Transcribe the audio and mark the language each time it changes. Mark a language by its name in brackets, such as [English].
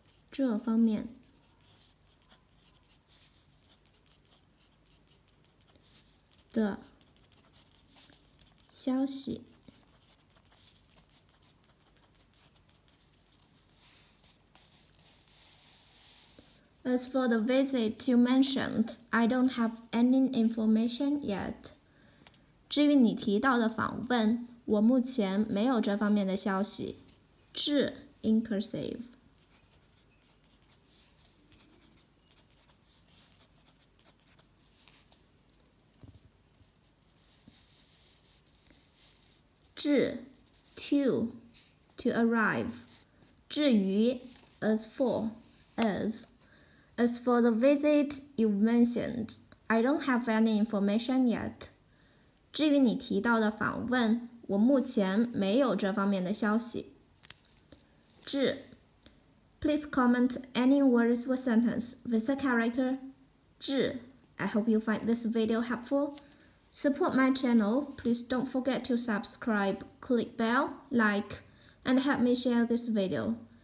[Chinese] 这方面 的消息 [English] As for the visit you mentioned, I don't have any information yet. [Chinese] 至于你提到的访问，我目前没有这方面的消息。 [English] 至 in cursive. 至 to arrive. 至于 as for the visit you mentioned, I don't have any information yet. [Chinese] 至于你提到的访问，我目前没有这方面的消息。 [English] 至, please comment any words or sentence with the character 至. I hope you find this video helpful. Support my channel. Please don't forget to subscribe, click bell, like, and help me share this video.